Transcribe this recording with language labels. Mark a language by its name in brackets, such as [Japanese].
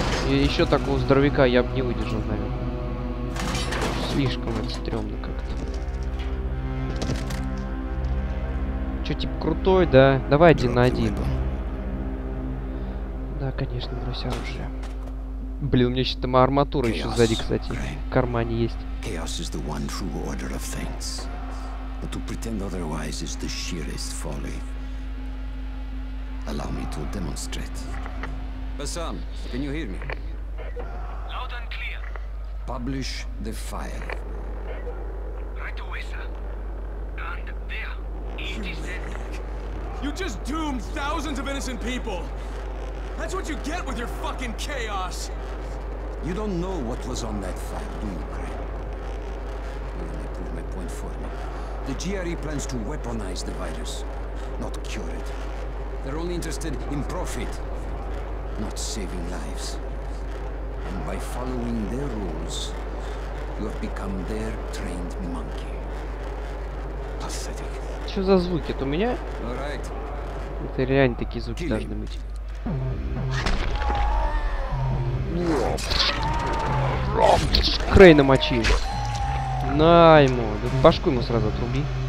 [Russian] И еще такого здоровяка я бы не выдержал, наверное. Слишком это стрёмно как-то. Че, типа крутой, да? Давай один на один. Да, конечно, брось оружие. Блин, у меня сейчас там арматура еще сзади, кстати. В кармане есть. [English] Chaos is the one true order of things. But to pretend otherwise is the sheerest folly. Allow me to demonstrate. Bassam, can you hear me? Loud and clear. Publish the file. Right away, sir. And there, it is dead. You just doomed thousands of innocent people. That's what you get with your fucking chaos. You don't know what was on that file, do you, Craig? You're gonna prove my point for me. The GRE plans to weaponize the virus, not cure it. They're only interested in profit, not saving lives. And by following their rules, you have become their trained monkey. Pathetic. [Russian] Что за звуки? Это у меня? [English] All right. [Russian] Это реально такие звуки Kill должны быть. Крейна мочи. На ему. Да башку ему сразу отруби.